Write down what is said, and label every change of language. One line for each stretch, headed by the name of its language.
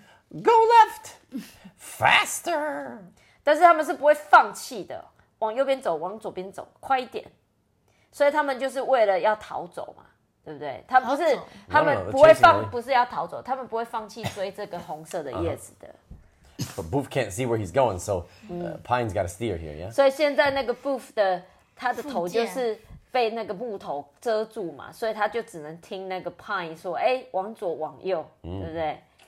English: Go left, faster.
Chinese: 但是他们是不会放弃的，往右边走，往左边走，快一点。所以他们就是为了要逃走嘛，对不对？他不是，他们不会放，不是要逃走，他们不会放弃追这个红色的叶子的。
English: But Boof can't see where he's going, so Pine's got a steer here, yeah.
Chinese: 所以现在那个 Boof 的他的头就是被那个木头遮住嘛，所以他就只能听那个 Pine 说，哎，往左，往右，对不对？